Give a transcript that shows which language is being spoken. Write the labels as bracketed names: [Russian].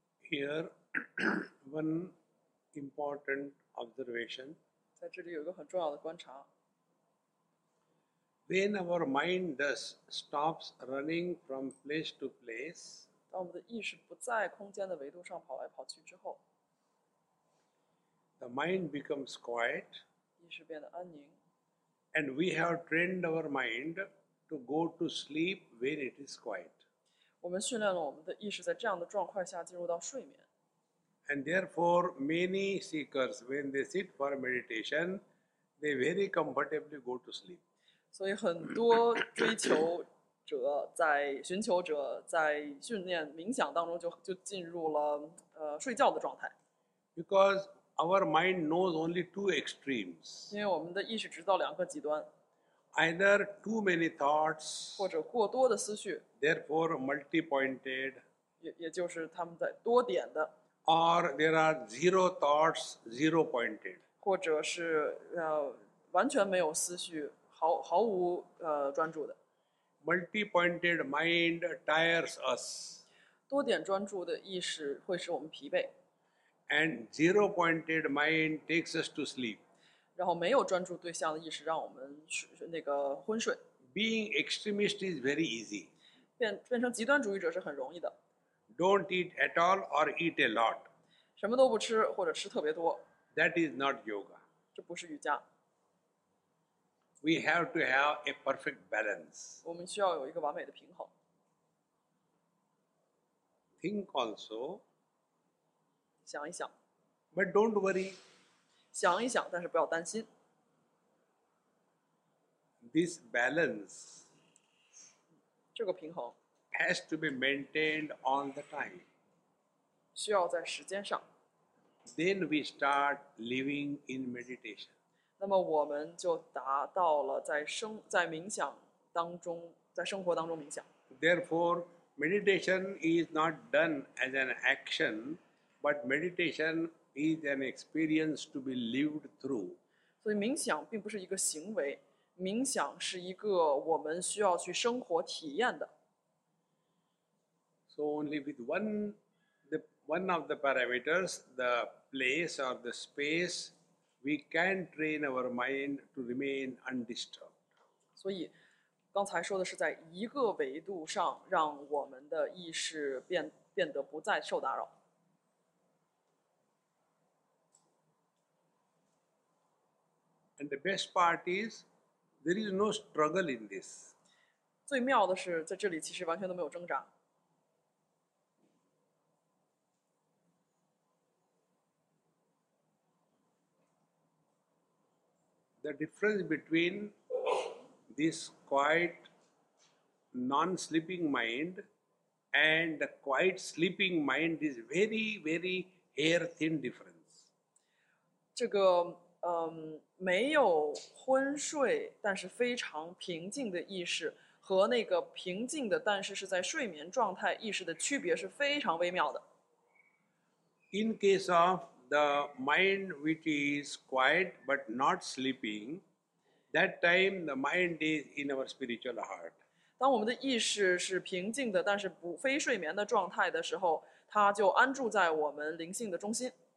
[English] Here, one important observation. [Chinese] 在这里有一个很重要的观察。 [English] When our mind thus stops running from place to place, [Chinese] 当我们的意识不在空间的维度上跑来跑去之后， [English] the mind becomes quiet. [Chinese] 意识变得安宁。 [English] And we have trained our mind to go to sleep when it is quiet. [Chinese] 我们训练了我们的意识在这样的状况下进入到睡眠。 [English] And therefore, many seekers, when they sit for meditation, they very comfortably go to sleep. [Chinese] 所以很多追求者在寻求者在训练冥想当中就进入了睡觉的状态。 [English] Because our mind knows only two extremes. [Chinese] 因为我们的意识知道两个极端。 [English] Either too many thoughts, [Chinese] 或者过多的思绪 [English] therefore multi-pointed, [Chinese] 也就是他们在多点的 [English] or there are zero thoughts, zero-pointed, [Chinese] 或者是完全没有思绪 毫无专注的 [English] multi-pointed mind tires us, [Chinese] 多点专注的意识会使我们疲惫 [English] and zero-pointed mind takes us to sleep. [Chinese] 然后没有专注对象的意识让我们那个昏睡。 [English] Being extremist is very easy. [Chinese] 变成极端主义者是很容易的。 [English] Don't eat at all or eat a lot. [Chinese] 什么都不吃或者吃特别多。 [English] That is not yoga. [Chinese] 这不是瑜伽。 [English] We have to have a perfect balance. [Chinese] 我们需要有一个完美的平衡。 [English] Think also. [Chinese] 想一想。 [English] But don't worry. [Chinese] 想一想，但是不要担心。 [English] This balance [Chinese] 这个平衡 [English] has to be maintained all the time. [Chinese] 需要在时间上。 [English] Then we start living in meditation. [Chinese] 那么我们就达到了在冥想当中，在生活当中冥想。 [English] Therefore, meditation is not done as an action, but meditation is an experience to be lived through. [Chinese] 所以冥想并不是一个行为，冥想是一个我们需要去生活体验的。 [English] So only with one of the parameters, the place or the space, we can train our mind to remain undisturbed. [Chinese] 所以刚才说的是在一个维度上让我们的意识 变得不再受打扰。 [English] And the best part is, there is no struggle in this. [Chinese] 最妙的是在这里其实完全都没有挣扎。 [English] The difference between this quiet non-sleeping mind and the quiet sleeping mind is very, very hair-thin difference. [Chinese] 这个没有昏睡但是非常平静的意识和那个平静的但是是在睡眠状态意识的区别是非常微妙的。 [English] In case of the mind which is quiet but not sleeping, that time the mind is in our spiritual heart. [Chinese] 当我们的意识是平静的但是不非睡眠的状态的时候，它就安住在我们灵性的中心。